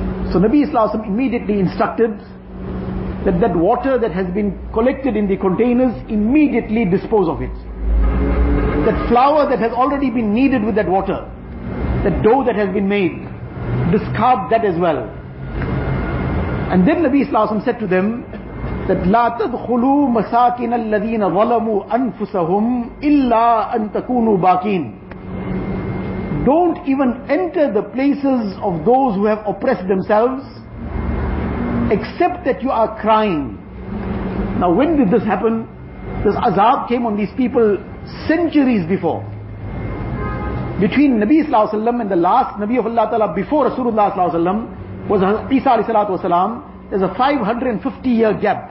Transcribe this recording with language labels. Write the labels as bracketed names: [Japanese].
[English] So Nabi Sallallahu Alaihi Wasallam immediately instructed that water that has been collected in the containers, immediately dispose of it. That flour that has already been kneaded with that water, that dough that has been made, discard that as well. And then Nabi Sallallahu Alaihi Wasallam said to them, that [Arabic] لا تدخلوا مساكن الذين ظلموا أنفسهم إلا أن تكونوا باكين. [English] Don't even enter the places of those who have oppressed themselves, except that you are crying. Now when did this happen? This azab came on these people centuries before. Between Nabi Sallallahu Alaihi Wasallam and the last Nabi of Allah Ta'ala before Rasulullah Sallallahu Alaihi Wasallam was Isa Alayhi Salatu Wasalam, there's a 550 year gap.